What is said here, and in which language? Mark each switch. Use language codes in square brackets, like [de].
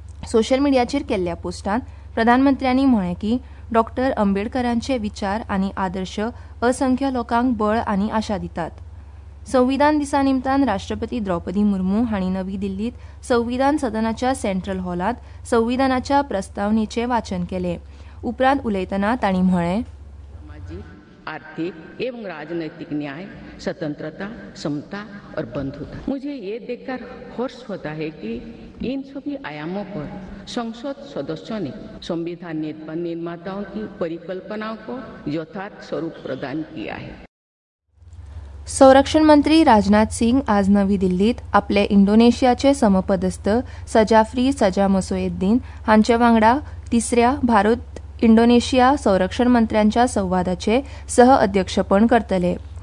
[gom] Social मिडियाचेर केल्ल्या पोस्टांत प्रधानमंत्र्यांनी म्हळें की डॉ आंबेडकरांचे विचार आनी आदर्श असंख्य लोकांक बळ आनी आशा दितात. संविधान दिसा निमतान राष्ट्रपती द्रौपदी मुर्मू हांणी नवी दिल्लीत संविधान सदनाच्या सेंट्रल हॉलांत संविधानाच्या प्रस्तावनेचें वाचन केलें. उपरांत उलयतना तांणी म्हळें, [hi] सामाजीक आर्थिक एवं राजनैतिक न्याय स्वतंत्रता समता और बंधुता मुझे ये देखकर हर्ष होता है कि इन सभी आयामों पर संसद सदस्यों ने संविधान निर्माताओं की परिकल्पनाओं को यथार्थ स्वरूप प्रदान किया है. [gom] संरक्षण मंत्री राजनाथ सिंग आज नवी दिल्लीत आपले इंडोनेशियाचे समपदस्थ सजाफ्री सजामसोएद्दीन हांचे वांगडा तिसऱ्या भारत इंडोनेशिया संरक्षण मंत्र्यांच्या संवादाचे सह अध्यक्षपण करतले.